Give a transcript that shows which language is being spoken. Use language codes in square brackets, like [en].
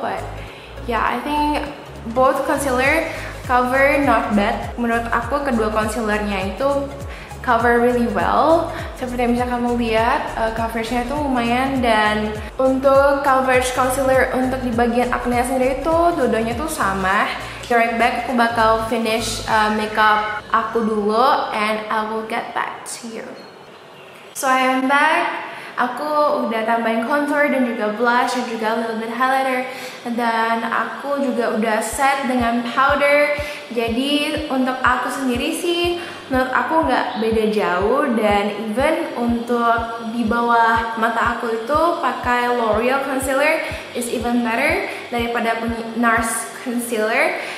[en] But yeah, I think both concealer cover not bad. [id] Menurut aku kedua concealernya itu [en] cover really well. [id] Seperti yang bisa kamu lihat, coveragenya tuh lumayan. Dan untuk coverage concealer untuk di bagian acne sendiri itu dua-duanya tuh sama. [en] Right back, [id] aku bakal [en] finish makeup [id] aku dulu [en] and I will get back to you. So I am back. [id] Aku udah tambahin contour dan juga blush dan juga [en] a little bit highlighter. [id] Dan aku juga udah set dengan powder. Jadi untuk aku sendiri sih menurut aku gak beda jauh. Dan even untuk di bawah mata aku itu pakai L'Oreal concealer [en] is even better [id] daripada NARS concealer.